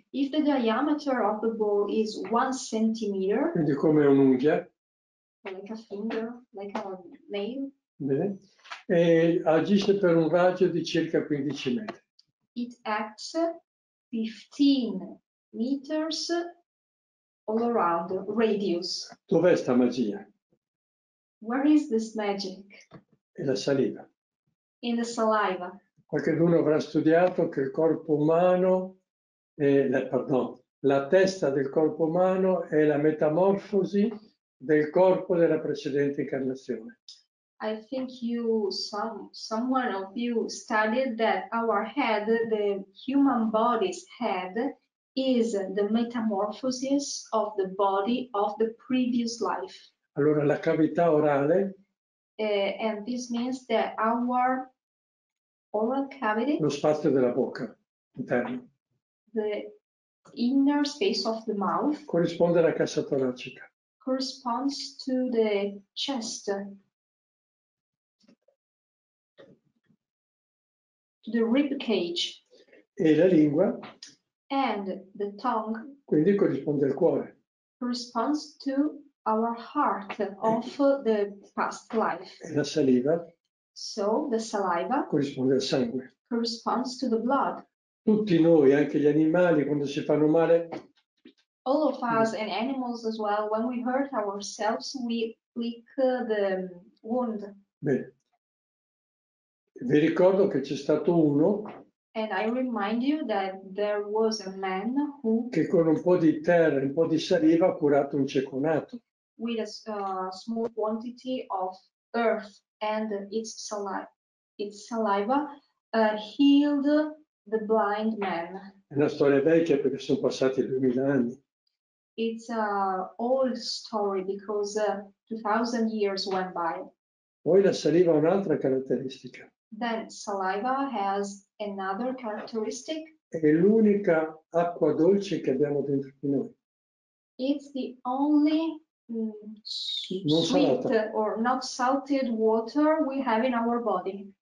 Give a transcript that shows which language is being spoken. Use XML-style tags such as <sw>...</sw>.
<en>if the diameter of the ball is 1 centimeter,</en> <it>quindi come un'unghia,</it> <en>like a finger, like a nail,</en> <it>bene, e agisce per un raggio di circa 15 metri.</it> <en>It acts 15 meters all around, radius.</en> <it>Dov'è sta magia?</it> <en>Where is this magic?</en> <it>È la saliva.</it> <en>In the saliva.</en> <it>Qualcuno avrà studiato che il corpo umano è, la testa del corpo umano è la metamorfosi del corpo della precedente incarnazione.</it> <en>I think someone of you studied that our head, the human body's head, is the metamorphosis of the body of the previous life.</en> <it>Allora la cavità orale,</it> <en>and this means that our oral cavity,</en> <it>lo spazio della bocca interno,</it> <en>the inner space of the mouth.</en> <it>Corrisponde alla cassa toracica.</it> <en>Corresponds to the chest. To the rib cage.</en> <it>E la lingua.</it> <en>And the tongue.</en> <it>Quindi corrisponde al cuore.</it> <en>Corresponds to our heart of the past life.</en> <it>E la saliva.</it> <en>So the saliva.</en> <it>Corrisponde al sangue.</it> <en>Corresponds to the blood.</en> <it>Tutti noi, anche gli animali, quando si fanno male.</it> <en>All of us and animals as well, when we hurt ourselves, we lick the wound.</en> <it>Bene. Vi ricordo che c'è stato uno.</it> <en>And I remind you that there was a man who.</en> <it>Che con un po' di terra e un po' di saliva ha curato un cieco nato.</it> <en>With a small quantity of earth and its saliva healed the blind man.</en> <it>È una storia vecchia perché sono passati 2000 anni.</it> <en>It's an old story because 2000 years went by.</en> <it>Poi la saliva ha un'altra caratteristica.</it> <en>Then saliva has another characteristic.</en> <it>È l'unica acqua dolce che abbiamo dentro di noi.</it> <en>It's the only sweet or not salted water we have in our body.</en>